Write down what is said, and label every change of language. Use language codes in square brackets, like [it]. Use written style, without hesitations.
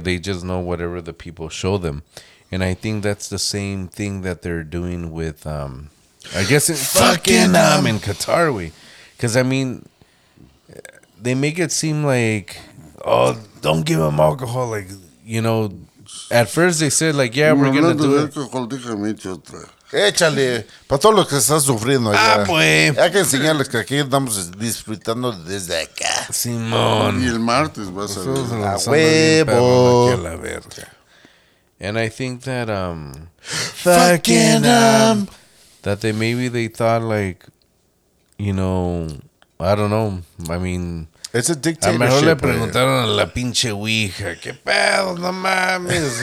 [en] They just know whatever the people show them. And I think that's the same thing that they're doing with, I guess, in fucking in Qatar. Because, I mean, they make it seem like, oh, don't give them alcohol. Like, you know, at first they said, like, yeah, we're going to do alcohol, it. [es] Otra. Échale, para todos los que están sufriendo allá. Ah, pues. Hay que enseñarles que aquí estamos disfrutando desde acá. Simón. Y el martes vas a ver. A huevo. A la verga. [en] And I think that, fucking, that they maybe they thought, like, you know, I don't know. I mean, it's a dictatorship. [es] A mejor le preguntaron a la pinche ouija, ¿qué pedo, no mames?